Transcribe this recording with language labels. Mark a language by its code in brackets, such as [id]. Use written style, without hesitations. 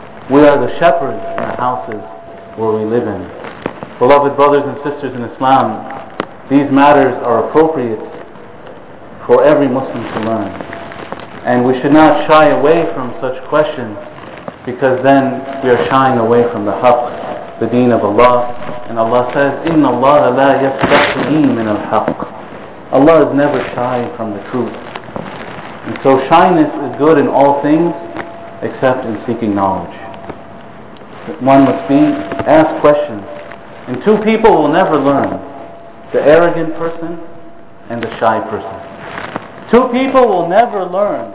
[en] We are the shepherds in the houses where we live in. Beloved brothers and sisters in Islam, these matters are appropriate for every Muslim to learn. And we should not shy away from such questions because then we are shying away from the haqq, the deen of Allah. And Allah says, [ar] إِنَّ اللَّهَ لَا يَسْتَحْيِي مِنَ الْحَقِّ. [en] Allah is never shy from the truth. And so shyness is good in all things except in seeking knowledge. One must be, ask questions. And two people will never learn. The arrogant person and the shy person. Two people will never learn.